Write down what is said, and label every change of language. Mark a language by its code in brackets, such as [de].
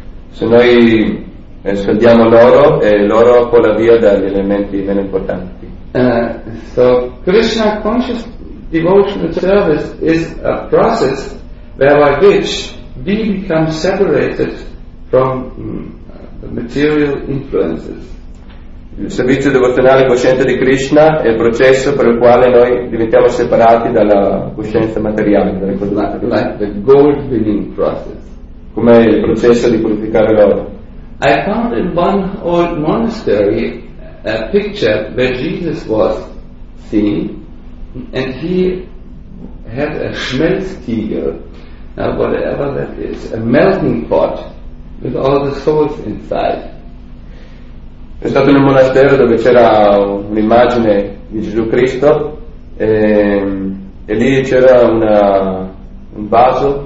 [it] Se noi scaldiamo l'oro, l'oro vola via dagli elementi meno importanti. [en] So Krishna conscious devotional service is a process whereby which we become separated from the material influences. [it] Il servizio devozionale cosciente di Krishna è il processo per il quale noi diventiamo separati dalla coscienza materiale, dalle cose materiali. [en] Like the gold winning process. [it] Come il processo di purificare l'oro. [en] I found in one old monastery a picture where Jesus was seen, and he had a Schmelztiegel, now whatever that is, a melting pot with all the souls inside. [it] È stato in un monastero dove c'era un'immagine di Gesù Cristo e lì c'era un vaso,